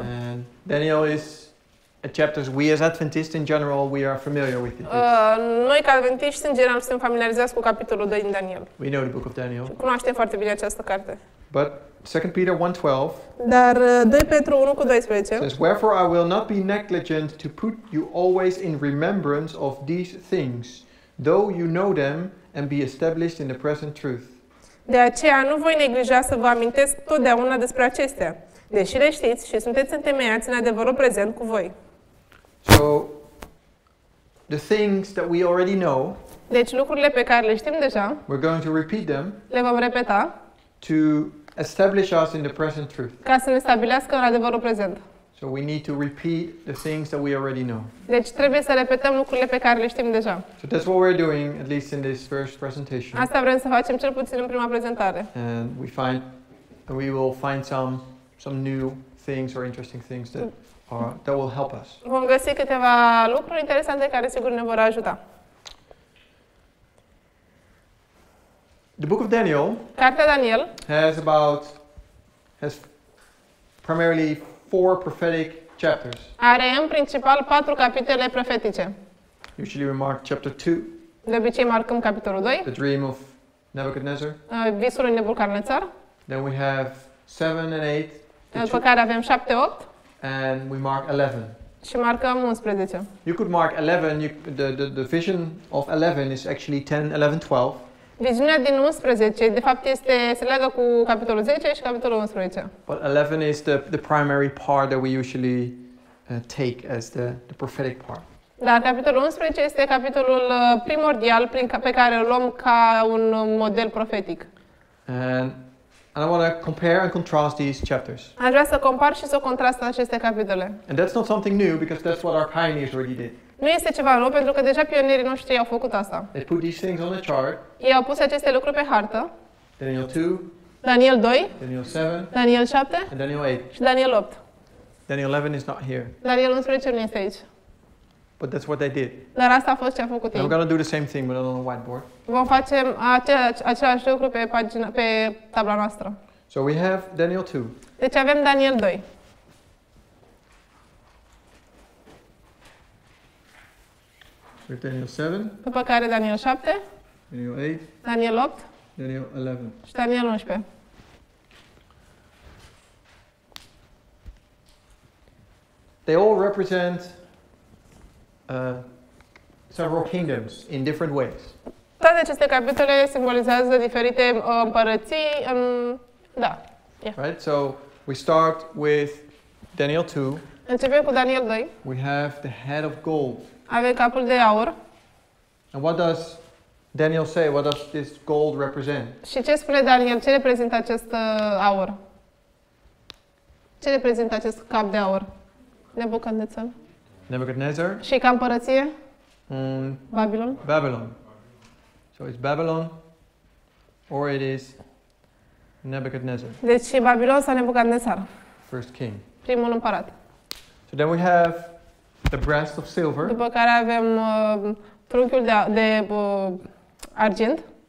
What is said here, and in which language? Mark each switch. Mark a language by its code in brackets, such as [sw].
[en] And Daniel is a chapter we as Adventists in general we are familiar with it. [ro] Noi ca adventiști în general suntem familiarizați cu capitolul 2 din Daniel. [en] We know the book of Daniel. [ro] Cunoaștem foarte bine această carte. [en] But 2 Peter 1:12. [ro] Dar 2 Petru 1 cu 12. [en] Says, "Wherefore I will not be negligent to put you always in remembrance of these things, though you know them and be established in the present truth." [ro] De aceea nu voi neglija să vă amintesc totdeauna despre acestea, deși le știți și sunteți întemeiați în adevărul prezent cu voi. [en] So the things that we already know. [ro] Deci lucrurile pe care le știm deja. [en] We're going to repeat them. [ro] Le vom repeta. [en] To establish us in the present truth. [ro] Ca să ne stabilească în adevărul prezent. [en] So we need to repeat the things that we already know. [ro] Deci trebuie să repetăm lucrurile pe care le știm deja. [en] So that's what we're doing at least in this first presentation. [ro] Asta vrem să facem cel puțin în prima prezentare. [en] And we will find some new things or interesting things that will help us. [ro] Vom găsi câteva lucruri interesante care sigur ne vor ajuta. [en] The book of Daniel. [ro] Cartea Daniel. [en] Has primarily 4 prophetic chapters. [ro] Are în principal 4 capitole profetice. [en] Usually we mark chapter 2. [ro] De obicei marcăm capitolul 2. [en] The dream of Nebuchadnezzar. [ro] Visul lui Nebucadnezar. [en] Then we have 7 and 8. [ro] După care avem 7, 8. [en] And we mark 11. [ro] Și marcăm 11. [en] You could mark 11, the vision of 11 is actually 10, 11, 12. [ro] Viziunea din 11 de fapt se leagă cu capitolul 10 și capitolul 11. [en] But 11 is the primary part that we usually take as the prophetic part. [ro] Dar capitolul 11 este capitolul primordial pe care îl luăm ca un model profetic. [en] And I want to compare and contrast these chapters. [ro] Aș vrea să compar și să contrast aceste capitole. [en] And that's not something new because that's what our pioneers already did. [ro] Nu este ceva nou, pentru că deja pionerii noștri au făcut asta. [en] They put these things on the chart. [ro] Ei au pus aceste lucruri pe hartă. [en] Daniel 2. [ro] Daniel 2. [en] Daniel 7. [ro] Daniel 7. [en] And Daniel 8. [ro] Și Daniel 8. [en] Daniel 11 is not here. [ro] Daniel 11 nu este aici. [en] But that's what they did. [ro] Dar asta a fost ce a făcut ei. [en] We're going to do the same thing but on a whiteboard. [ro] Vom face același lucru pe tabla noastră. [en] So we have Daniel 2. [ro] Deci avem Daniel 2. [en] With Daniel 7. [ro] După care Daniel 7. [en] Daniel 8. [ro] Daniel 8. [en] Daniel 11. [ro] Și Daniel 11. [en] They all represent several kingdoms in different ways. [ro] Toate aceste capitole simbolizează diferite împărății în da. [en] Yeah. Right? So we start with Daniel 2. [ro] Începem cu Daniel 2. [en] We have the head of gold. [ro] Avem capul de aur. [en] And what does Daniel say? What does this gold represent? [ro] Și ce spune Daniel? Ce reprezintă acest aur? Ce reprezintă acest cap de aur? Nebucadnețar. Nebucadnezar. Și ca împărăție? Babilon. [en] Babylon. So it's Babylon or it is Nebuchadnezzar. [ro] Deci Babilon sau Nebucadnezar. [en] First king. [ro] Primul împărat. [en] So then we have the breast of silver. [ro] După care avem trunchiul argent.